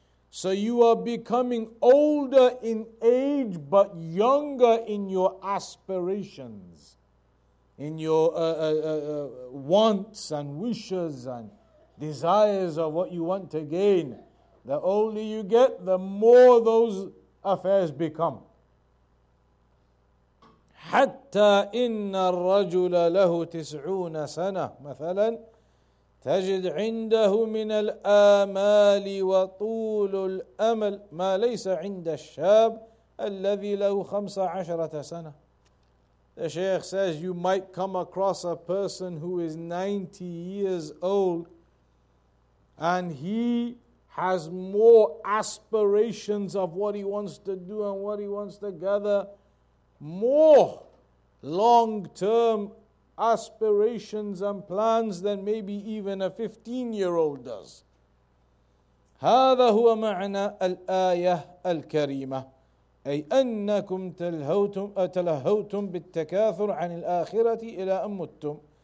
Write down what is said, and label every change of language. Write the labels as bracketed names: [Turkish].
[English] So you are becoming older in age, but younger in your aspirations, in your wants and wishes and desires of what you want to gain. The older you get, the more those affairs become. [Arabic] حتى إن الرجل له 90 سنة مثلا تجد عنده من الآمال وطول الأمل ما ليس عند الشاب الذي له 15 سنة. [English] The Sheikh says you might come across a person who is 90 years old and he has more aspirations of what he wants to do and what he wants to gather, more long-term aspirations and plans than maybe even a 15-year-old does. [Arabic] هذا هو معنى الآية الكريمة أي أنكم تلهوتم بالتكاثر عن الآخرة إلى أن متم.